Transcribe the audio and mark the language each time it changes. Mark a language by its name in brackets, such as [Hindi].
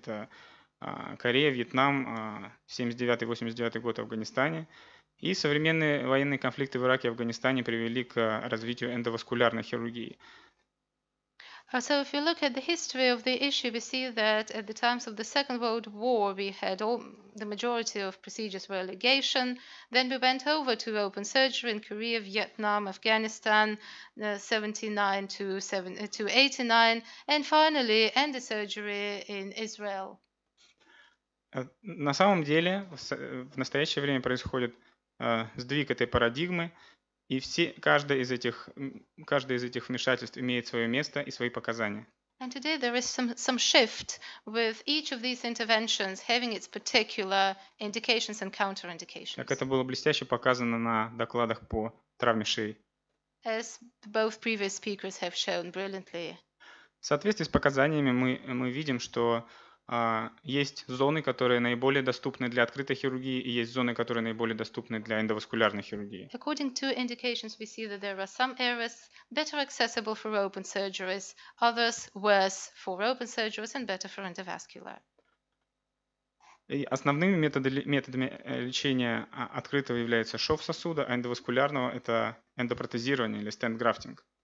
[Russian] Это Корея, Вьетнам, 79-89 год в Афганистане. И современные военные конфликты в Ираке и Афганистане привели к развитию эндоваскулярной хирургии. [English] So if you look at the history of the issue, we see that at the times of the Second World War, we had all, the majority of procedures were ligation. Then we went over to open surgery in Korea, Vietnam, Afghanistan, 79 to 89, and finally endosurgery in Israel. [Russian] На самом деле, в настоящее время происходит сдвиг этой парадигмы. И каждое из этих вмешательств имеет свое место и свои показания. [English] And today there is some shift with each of these interventions having its particular indications and counterindications. [Russian] Как это было блестяще показано на докладах по травме шеи. [English] As both previous speakers have shown brilliantly. [Russian] В соответствии с показаниями мы видим, что есть зоны, которые наиболее доступны для открытой хирургии, и есть зоны, которые наиболее доступны для эндоваскулярной хирургии. [English] According to indications, we see that there are some areas better accessible for open surgeries, others worse for open surgeries and better for endovascular. [Russian] И основными методами лечения открытого является шов сосуда, а эндоваскулярного – это эндопротезирование или stent grafting.